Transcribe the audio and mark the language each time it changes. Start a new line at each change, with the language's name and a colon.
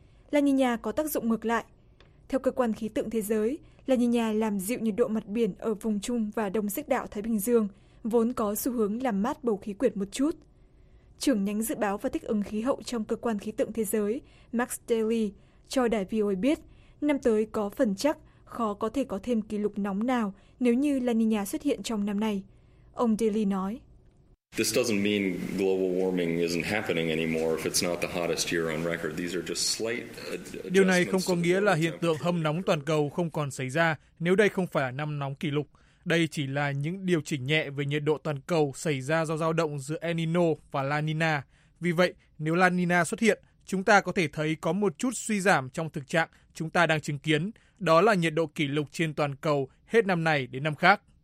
Vietnamese: La Nina có tác dụng ngược lại. Theo Cơ quan Khí tượng Thế giới, La Nina làm dịu nhiệt độ mặt biển ở vùng trung và đông xích đạo Thái Bình Dương, vốn có xu hướng làm mát bầu khí quyển một chút. Trưởng nhánh dự báo và thích ứng khí hậu trong Cơ quan Khí tượng Thế giới, Max Daly, cho đài VOA biết, năm tới có phần chắc khó có thể có thêm kỷ lục nóng nào nếu như La Nina xuất hiện trong năm nay. Ông Daly nói.
English: This doesn't mean global warming isn't happening anymore if it's not the hottest year on record. These are just slight adjustments.
Vietnamese: Điều này không có nghĩa là hiện tượng hâm nóng toàn cầu không còn xảy ra nếu đây không phải là năm nóng kỷ lục. Đây chỉ là những điều chỉnh nhẹ về nhiệt độ toàn cầu xảy ra do dao động giữa El Niño và La Nina. Vì vậy, nếu La Nina xuất hiện, chúng ta có thể thấy có một chút suy giảm trong thực trạng chúng ta đang chứng kiến, đó là nhiệt độ kỷ lục trên toàn cầu hết năm này đến năm khác.